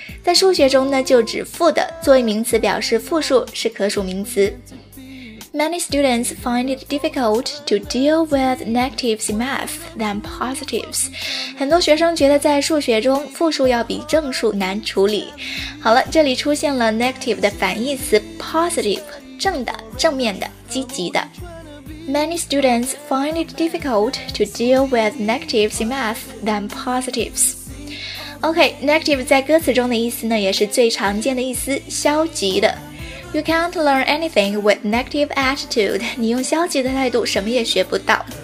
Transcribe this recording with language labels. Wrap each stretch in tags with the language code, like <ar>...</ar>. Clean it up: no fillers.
<zh>在数学中呢，就指负的，作为名词表示复数，是可数名词。</zh> <en>Many students find it difficult to deal with negatives in math than positives.</en> <zh>很多学生觉得在数学中复数要比正数难处理。好了，这里出现了 negative 的反义词 positive， 正的、正面的、积极的。</zh> <en>Many students find it difficult to deal with negatives in math than positives.</en> <zh>OK, negative 在歌词中的意思呢，也是最常见的意思，消极的。</zh> <en>You can't learn anything with negative attitude.</en> <zh>你用消极的态度什么也学不到。</zh>